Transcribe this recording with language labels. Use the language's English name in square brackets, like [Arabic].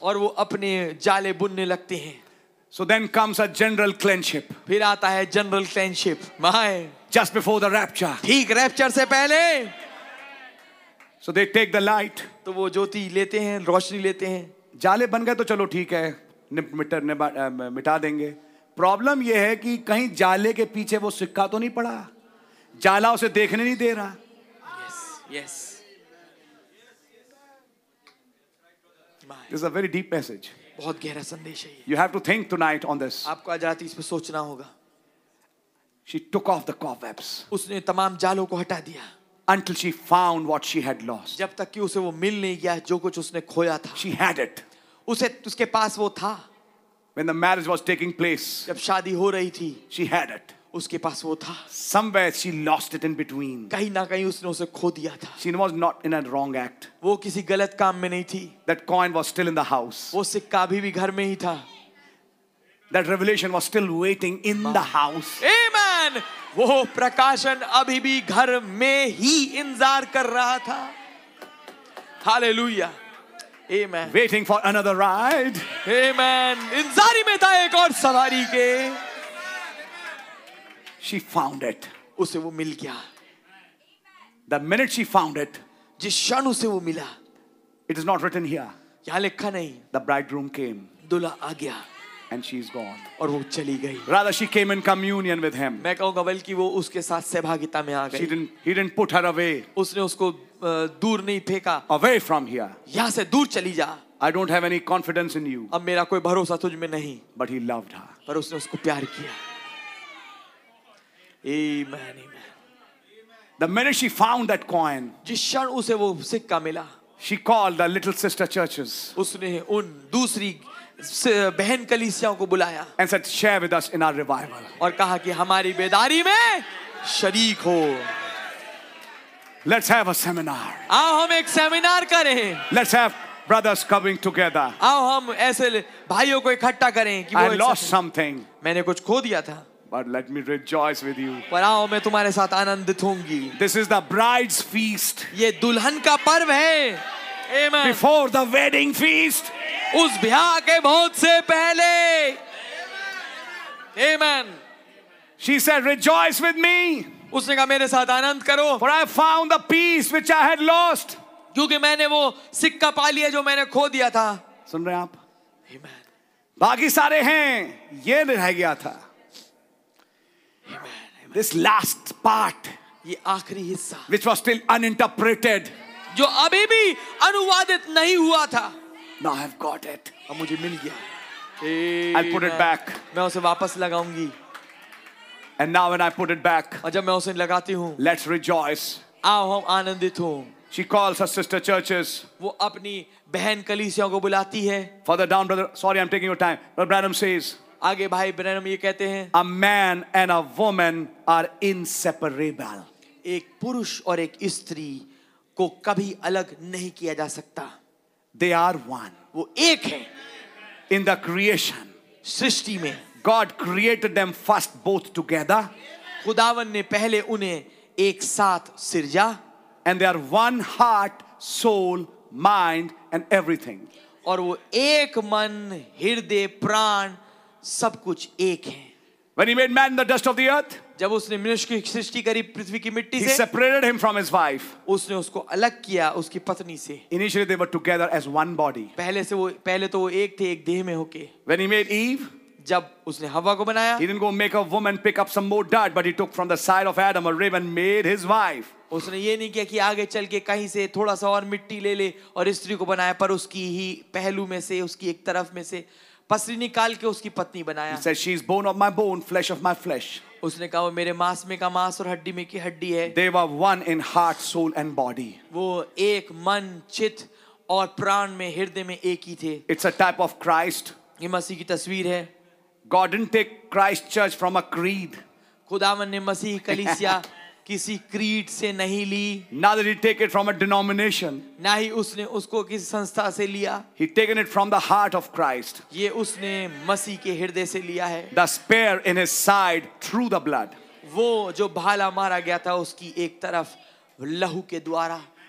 [Hindi] और वो अपने जाले बुनने लगते हैं. [English] So then comes a general cleanship. [Hindi] फिर आता है general cleanship. [English] My. Just before the rapture. [Hindi] ठीक rapture से पहले. [English] So they take the light. [Hindi] तो वो ज्योति लेते हैं, रोशनी लेते हैं. जाले बन गए तो चलो ठीक है, मिटा देंगे. प्रॉब्लम ये है कि कहीं जाले के पीछे वो सिक्का तो नहीं पड़ा. जाला उसे देखने नहीं दे रहा. [English] Yes, yes. This is a very deep message. [Hindi] बहुत गहरा संदेश है ये. [English] You have to think tonight on this. [Hindi] आपको आज रात इस पे सोचना होगा. [English] She took off the cobwebs. [Hindi] उसने तमाम जालों को हटा दिया. [English] Until she found what she had lost. [Hindi] जब तक कि उसे वो मिल नहीं गया जो कुछ उसने खोया था. [English] She had it. [Hindi] उसे उसके पास वो था. [English] When the marriage was taking place. [Hindi] जब शादी हो रही थी. [English] She had it. [Hindi] उसके पास वो था. [English] Somewhere she lost it in between. [Hindi] कहीं ना कहीं उसने उसे खो दिया था. [English] She was not in a wrong act. [Hindi] वो किसी गलत काम में नहीं थी. [English] That coin was still in the house. [Hindi] वो सिक्का अभी भी घर में ही था. [English] That revelation was still waiting in the house. Amen. [Hindi] वो प्रकाशन अभी भी घर में ही इंतजार कर रहा था. [English] Hallelujah. Amen. Waiting for another ride. Amen. [Hindi] इंतजारी में था एक और सवारी के. [English] She found it. [Hindi] उसे वो मिल गया. [English] The minute she found it. [Hindi] जिस क्षण उसे वो मिला. [English] It is not written here. [Hindi] यहाँ लिखा नहीं. [English] The bridegroom came. [Hindi] दूल्हा आ गया. [English] And she is gone. [Hindi] और वो चली गई. [English] Rather she came in communion with him. [Hindi] मैं कहूँगा बल्कि वो उसके साथ सहभागिता में आ गई. [English] He didn't put her away. [Hindi] उसने उसको दूर नहीं फेंका. [English] Away from here. [Hindi] यहाँ से दूर चली जा. [English] I don't have any confidence in you. [Hindi] अब मेरा कोई भरोसा तुझ में नहीं. [English] But he loved her. [Hindi] पर उसने उसको प्यार किया. [English] Amen, amen. The minute she found that coin, [Hindi] जिस क्षण उसे वो सिक्का मिला, [English] she called the little sister churches. [Hindi] उसने उन दूसरी बहन कलीसियाओं को बुलाया. [English] And said, share with us in our revival. [Hindi] और कहा कि हमारी बेदारी में शरीक हो. [English] Let's have a seminar. [Hindi] आओ हम एक सेमिनार करें. [English] Let's have brothers coming together. [Hindi] आओ हम ऐसे भाइयों को इकट्ठा करें. [English] I lost something. [Hindi] मैंने कुछ खो दिया था. [English] But let me rejoice with you. [Hindi] पर आओ मैं तुम्हारे साथ आनंदित होंगी. [English] This is the bride's feast. [Hindi] ये दुल्हन का पर्व है. Amen. [English] Before the wedding feast. [Hindi] उस ब्याह के बहुत से पहले. Amen. [English] She said, rejoice with me. [Hindi] उसने कहा मेरे साथ आनंद करो. [English] For I found the piece which I had lost. [Hindi] क्योंकि मैंने वो सिक्का पा लिया जो मैंने खो दिया था. सुन रहे हैं आप? [English] Amen. [Hindi] बाकी सारे हैं, ये रह गया था. [English] Amen. This last part. [Hindi] ये आखिरी हिस्सा. [English] Which was still uninterpreted. [Hindi] जो अभी भी अनुवादित नहीं हुआ था. [English] Now I've got it. [Hindi] अब मुझे मिल गया. [English] I'll put it back. [Hindi] मैं उसे वापस लगाऊंगी. [English] And now when I put it back. [Hindi] और जब मैं उसे लगाती हूँ. [English] Let's rejoice. [Hindi] आओ हम आनंदित हों. [English] She calls her sister churches. [Hindi] वो अपनी बहन कलीसियों को बुलाती है. [English] Father Down brother, sorry I'm taking your time. But Branham says. [Hindi] आगे भाई ब्रैनम ये कहते हैं. [English] A man and a woman are inseparable. [Hindi] एक पुरुष और एक स्त्री को कभी अलग नहीं किया जा सकता. [English] They are one. [Hindi] वो एक है. [English] In the creation. [Hindi] सृष्टि में. [English] God created them first both together. [Hindi] खुदावन ने पहले उन्हें एक साथ सिर्जा. [English] And they are one heart, soul, mind and everything. [Hindi] और वो एक मन, हृदय, प्राण, सब कुछ एक है. [English] When he made man in the dust of the earth. [Hindi] जब उसने मनुष्य की सृष्टि करी पृथ्वी की मिट्टी से. [English] He separated him from his wife. [Hindi] उसने उसको अलग किया उसकी पत्नी से. [English] Initially they were together as one body. [Hindi] पहले तो वो एक थे एक देह में होके. [English] When he made Eve. [Hindi] जब उसने हवा को बनाया, [English] he didn't go make a woman pick up some more dirt, but he took from the side of Adam a rib and made his wife. [Hindi] उसने ये नहीं किया कि आगे चल के कहीं से थोड़ा सा और मिट्टी ले ले और स्त्री को बनाया, पर उसकी ही पहलू में से, उसकी एक तरफ में से पसली निकाल के उसकी पत्नी बनाया. [English] He said she is bone of my bone, flesh of my flesh. [Hindi] उसने कहा वो मेरे मांस में का मांस और हड्डी में की हड्डी है. [English] They were one in heart, soul and body. [Hindi] वो एक मन चित और प्राण में हृदय में एक ही थे. [English] It's a type of Christ. [Hindi] ये मसीह की तस्वीर है. [English] God didn't take Christ church from a creed. [Hindi] खुदावन ने मसीह कलीसिया किसी क्रीड से नहीं ली. [English] Neither did he take it from a denomination. [Hindi] ना ही उसने उसको किसी संस्था से लिया. [English] He taken it from the heart of Christ. [Hindi] ये उसने मसीह के हृदय से लिया है. [English] The spear in his side through the blood. [Hindi] वो जो भाला मारा गया था उसकी एक तरफ लहू के द्वारा.